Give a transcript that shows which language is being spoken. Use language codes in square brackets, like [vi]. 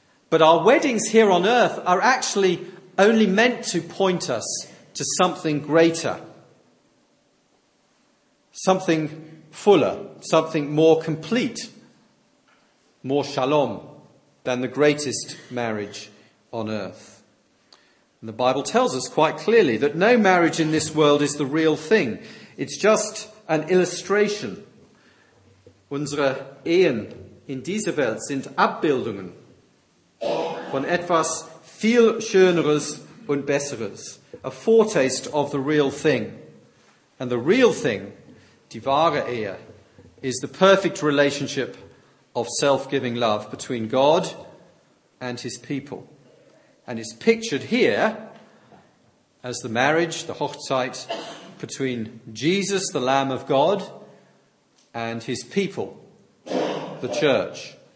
[en] But our weddings here on earth are actually only meant to point us to something greater, something fuller, something more complete, more shalom than the greatest marriage on earth. And the Bible tells us quite clearly that no marriage in this world is the real thing. It's just an illustration. [de] Unsere Ehen in dieser Welt sind Abbildungen von etwas viel Schöneres und Besseres. [en] A foretaste of the real thing. And the real thing, [de] die wahre Ehe, [en] is the perfect relationship of self-giving love between God and his people. And it's pictured here as the marriage, the Hochzeit, between Jesus, the Lamb of God, and his people, the church.